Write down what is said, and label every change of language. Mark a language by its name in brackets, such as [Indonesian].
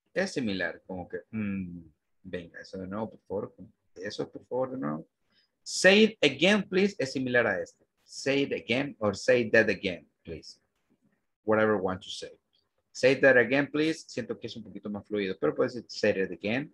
[Spanish] Es similar, como que, venga, eso de nuevo, por favor. Eso, por favor, de nuevo. [English] Say it again, please. [Spanish] Es similar a este. [English] Say it again or say that again, please. Whatever you want to say. Say that again, please. [Spanish] Siento que es un poquito más fluido, pero puedes decir, [English] say it again.